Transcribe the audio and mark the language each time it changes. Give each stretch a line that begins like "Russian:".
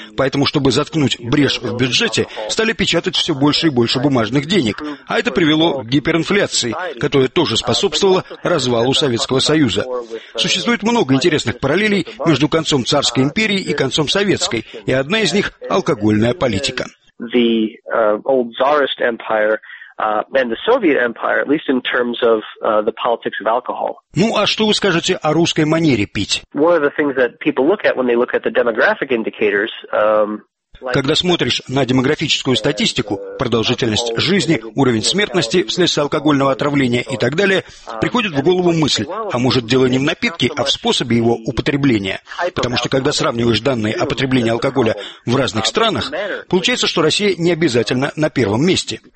Russian: Поэтому, чтобы заткнуть брешь в бюджете, стали печатать все больше и больше бумажных денег. А это привело к гиперинфляции, которая тоже способствовала развалу Советского Союза. Существует много интересных параллелей между концом царской империи и концом советской, и одна из них – алкогольная политика.
English: The old Tsarist Empire and the Soviet Empire, at least in terms of the politics of alcohol.
Russian: Ну, а что вы скажете о русской манере пить?
English: One of the things that people look at when they look at the demographic indicators.
Russian: Когда смотришь на демографическую статистику, продолжительность жизни, уровень смертности вследствие алкогольного отравления и так далее, приходит в голову мысль, а может дело не в напитке, а в способе его употребления. Потому что когда сравниваешь данные о потреблении алкоголя в разных странах, получается, что Россия не обязательно на первом месте.